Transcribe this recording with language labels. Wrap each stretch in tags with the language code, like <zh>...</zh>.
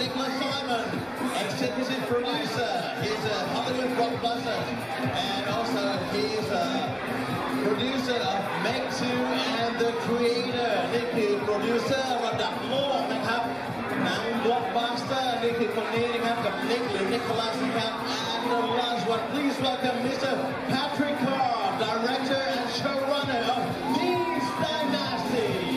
<en>Nicholas SimonExecutive producer, he's a Hollywood blockbuster, and also he's a producer of Meg 2 and the creator.</en> <th>นี่คือ producer ระดับโลกนะครับหนัง blockbuster นี่คือคนนี้นะครับกับ Nick หรือ Nicholas นะครับ</th> <en>and the last one, please welcome Mr. Patrick Carr, director and showrunner of Dean's Dynasty.</en>